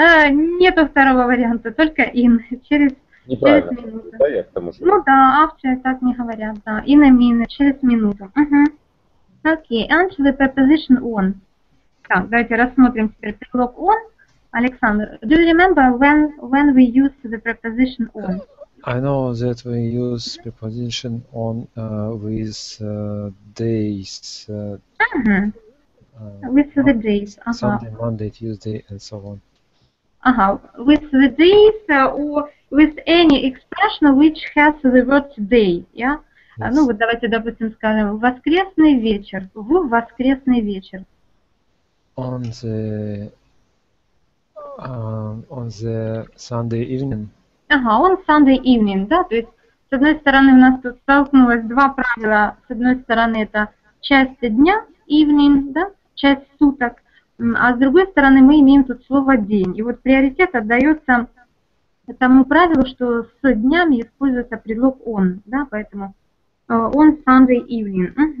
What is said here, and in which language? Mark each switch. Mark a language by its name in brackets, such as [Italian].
[Russian] Нету второго варианта, только in, через минуту. Неправильно, да, я к тому же. Ну да, after, так не говорят, да, [English] in a minute, [Russian] через минуту. [English] Окей, and the preposition on. [Russian] Так, давайте рассмотрим теперь предлог on. [English] Александр, do you remember when we used the preposition on? I know that we use preposition on with days. With the days. Uh-huh. Sunday, Monday, Tuesday, and so on. Ага, uh-huh. With the days or with any expression which has the word day, yeah? Yes. [Russian] Ну вот давайте, допустим, скажем, воскресный вечер, в воскресный вечер. [English] On the Sunday evening. [Russian] Ага, [English] on Sunday evening, [Russian] да, то есть с одной стороны у нас тут столкнулось два правила, с одной стороны это часть дня, evening, да, часть суток, а с другой стороны мы имеем тут слово день, и вот приоритет отдается тому правилу, что с днями используется предлог on, да, поэтому on Sunday evening, угу.